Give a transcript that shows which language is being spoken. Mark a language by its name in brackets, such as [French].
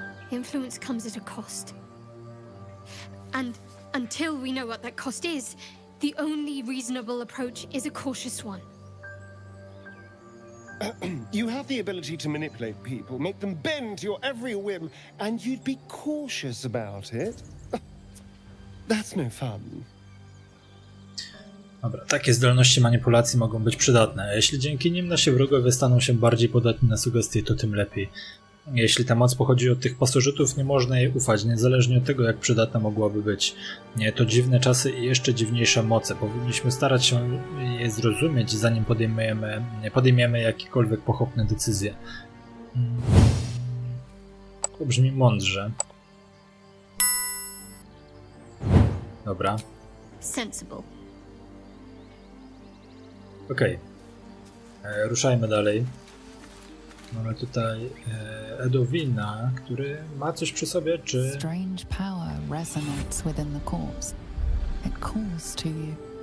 [English] Influence comes at a cost. And until we know what that cost is, the only reasonable approach is a cautious one. You have the ability to manipulate people, make them bend to your every whim, and you'd be cautious about it. That's no fun. [Polish] Dobra, takie zdolności manipulacji mogą być przydatne. Jeśli dzięki nim nasi wrogowie staną się bardziej podatni na sugestie, to tym lepiej. Jeśli ta moc pochodzi od tych pasożytów, nie można jej ufać, niezależnie od tego, jak przydatna mogłaby być. Nie, to dziwne czasy i jeszcze dziwniejsze moce. Powinniśmy starać się je zrozumieć, zanim podejmiemy jakiekolwiek pochopne decyzje. To brzmi mądrze. Dobra. [English] Sensible. [Polish] Okej. Okay. Ruszajmy dalej. Mamy tutaj Edowina, który ma coś przy sobie, czy... [English] Strange power resonates within the corpse. It calls to you.